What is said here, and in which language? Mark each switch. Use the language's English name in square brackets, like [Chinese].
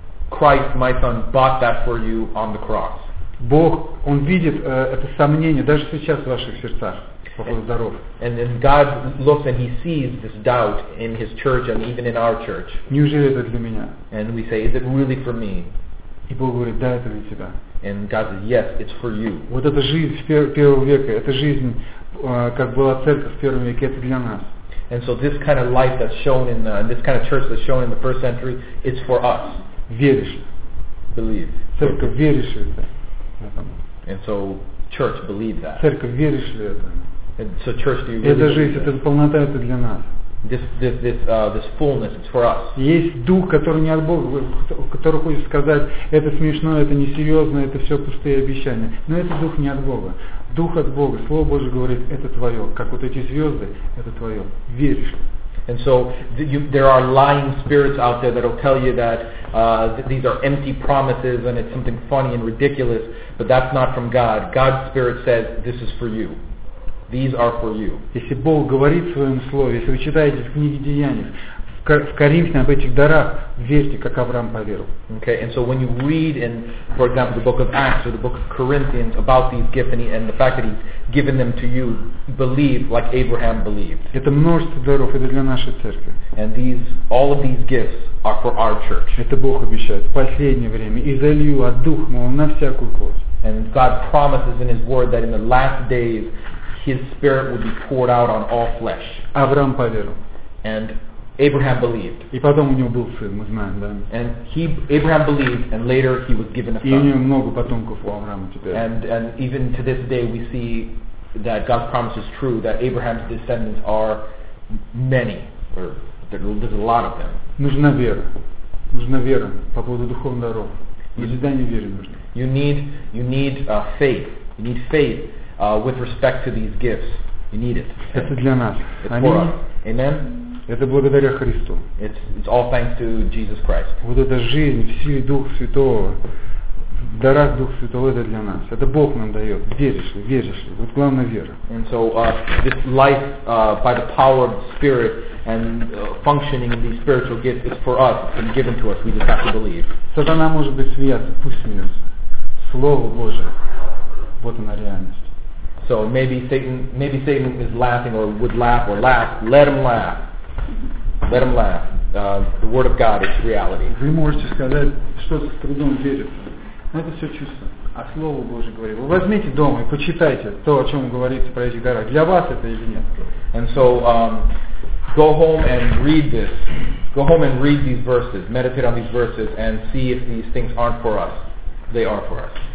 [English] Christ, my Son, bought that for you on the cross. [Russian] Бог, Он видит это сомнение даже сейчас в ваших сердцах по поводу даров. [English] And then God looks and He sees this doubt in His church and even in our church. [Russian] Неужели это для меня? [English] And we say, is it really for me? [Russian] И Бог говорит: да, это для тебя. [English] And God says, yes, it's for you. [Russian] Вот эта жизнь первого века, это жизнь, как была церковь в первом веке, это для нас. [English] And so this kind of life that's shown in this kind of church that's shown in the first century, it's for us. [Russian] Веришь. [English] Believe. [Russian] Церковь веришь это. [English] And so church, believe that. [Russian] Церковь веришь ли это? [English] So church, do you believe? [Russian] Эта жизнь, эта полнота, это для нас. [English] This fullness, it's for us. [Russian] Есть дух, который не от Бога, который хочет сказать, это смешно, это несерьезно, это все пустые обещания. Но этот дух не от Бога. Дух от Бога, Слово Божие говорит, это твое, как вот эти звезды, это твое. Веришь ли? [English] And so there are lying spirits out there that will tell you that these are empty promises and it's something funny and ridiculous, but that's not from God. God's spirit says, this is for you. These are for you. [Russian] Если Бог говорит в своем слове, если вы читаете в книге Деяний, в Коринфе об этих дарах, верьте, как Авраам поверил. [English] Okay, and so when you read in, for example, the book of Acts or the book of Corinthians about these gifts and the fact that he's given them to you, believe like Abraham believed. [Russian] Это множество даров, это для нашей церкви. [English] And these, all of these gifts are for our church. [Russian] Это Бог обещает в последнее время, и залью от Духа Моего на всякую плоть. [English] And God promises in his word that in the last days his spirit would be poured out on all flesh. [Russian] Авраам поверил. [English] And Abraham believed. [Russian] И потом у него был сын, мы знаем, да. [English] And Abraham believed, and later he was given a son. [Russian] И у него много потомков у Авраама теперь. [English] And even to this day we see that God's promise is true, that Abraham's descendants are many, or there's a lot of them. [Russian] Нужна вера. Нужна вера по поводу духовных даров. Назидание веры нужно. [English] You need faith. You need faith with respect to these gifts. You need it. [Russian] Это для нас. [English] It's for us. Amen. [Russian] Это благодаря Христу. [English] It's all thanks to Jesus Christ. [Russian] Вот эта жизнь, в силе Духа Святого, в дарах Духа Святого, это для нас. Это Бог нам дает. Веришь ли? Веришь ли? Вот главное вера. [English] And so this life by the power of the Spirit and functioning in these spiritual gifts is for us. It's been given to us. We just have to believe. [Russian] Сатана может быть смеяться. Пусть смеется. Слово Божие. Вот она реальность. [English] So maybe Satan is laughing or would laugh or laugh. Let him laugh. Let him laugh. The word of God is reality. [Russian] Вы можете сказать, что с трудом верится. Но это все чувство. А Слово Божие говорит. Вы возьмите дома и почитайте то, о чем говорится про эти горы. Для вас это или нет? [English] And so, go home and read this. Go home and read these verses. Meditate on these verses and see if these things aren't for us. They are for us.